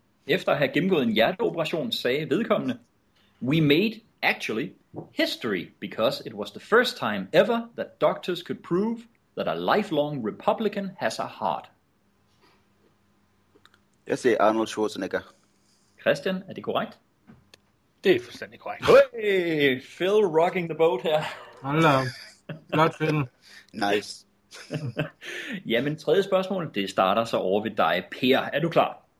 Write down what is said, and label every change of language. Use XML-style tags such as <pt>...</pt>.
<da>Efter at have gennemgået en hjerteoperation, sagde vedkommende...</da> <en>We made, actually, history, because it was the first time ever that doctors could prove that a lifelong Republican has a heart.</en> <da>Jeg siger Arnold Schwarzenegger. Christian, er det korrekt? Det er fuldstændig korrekt.</da> <en>Hey, Phil rocking the boat her.</en> <da>Hallo. Godt, Phil.</da> <en>Nice.</en> <da>Jamen, tredje spørgsmål, det starter så over ved dig. Per, er du klar?</da>